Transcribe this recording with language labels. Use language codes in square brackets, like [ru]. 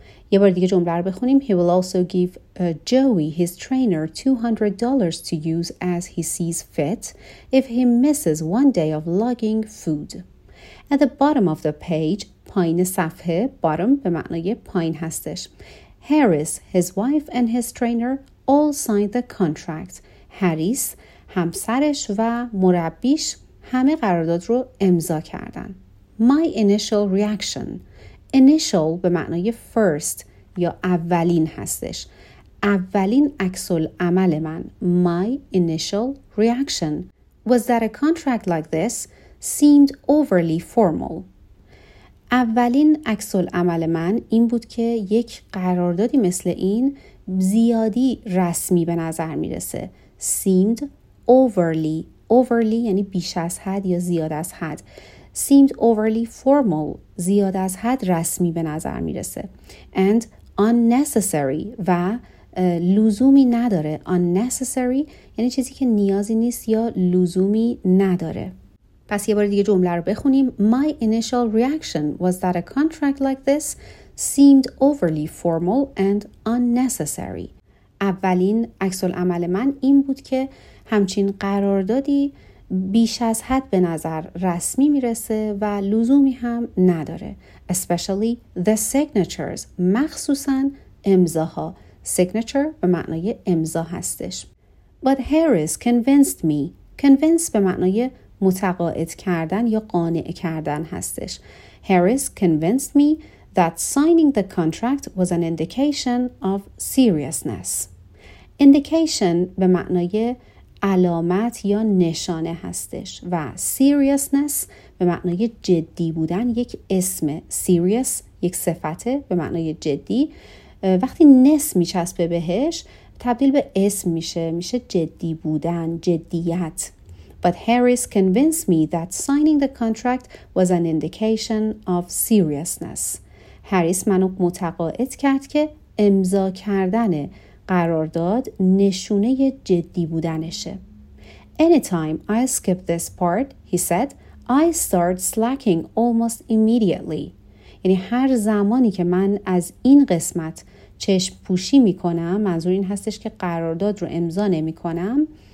[fa] یه بار دیگه جمله رو بخونیم. [en] He will also give Joey, his trainer, $200 to use as he sees fit if he misses one day of logging food. At the bottom of the page, [fa] پایین صفحه, [en] bottom [fa] به معنای پایین هستش. [en] Harris, his wife and his trainer all signed the contract. [fa] Harris, همسرش و مربیش همه قرارداد رو امضا کردن. [en] My initial reaction. [fa] Initial به معنای first یا اولین هستش. اولین عکس العمل من. [en] My initial reaction was that a contract like this seemed overly formal. [fa] اولین عکس العمل من این بود که یک قراردادی مثل این زیادی رسمی به نظر میرسه. [en] Seemed overly. [fa] Overly یعنی بیش از حد یا زیاد از حد. [en] Seemed overly formal. [fa] زیاد از حد رسمی به نظر میرسه. [en] And unnecessary [fa] و لزومی نداره. Unnecessary یعنی چیزی که نیازی نیست یا لزومی نداره. پس یه بار دیگه جمله رو بخونیم. [en] My initial reaction was that a contract like this seemed overly formal and unnecessary. [fa] اولین عکس العمل من این بود که همچین قراردادی بیش از حد به نظر رسمی میرسه و لزومی هم نداره. [en] Especially the signatures. [fa] مخصوصا امضاها. Signature به معنای امضا هستش. [en] But Harris convinced me. [fa] Convinced به معنای متقاعد کردن یا قانع کردن هستش. [en] Harris convinced me that signing the contract was an indication of seriousness. [fa] Indication به معنای علامت یا نشانه هستش و seriousness به معنای جدی بودن یک اسم. Serious یک صفته به معنای جدی. وقتی ness میچسبه بهش تبدیل به اسم میشه. میشه جدی بودن، جدیت. [en] But Harris convinced me that signing the contract was an indication of seriousness. [fa] Harris منو متقاعد کرد که امضا کردن قرارداد نشونه جدی بودنشه. [en] Anytime I skip this part, he said, I start slacking almost immediately. [fa] یعنی هر زمانی که من از این قسمت چشم پوشی میکنم، منظور این هستش که قرارداد رو امضا نمیکنم.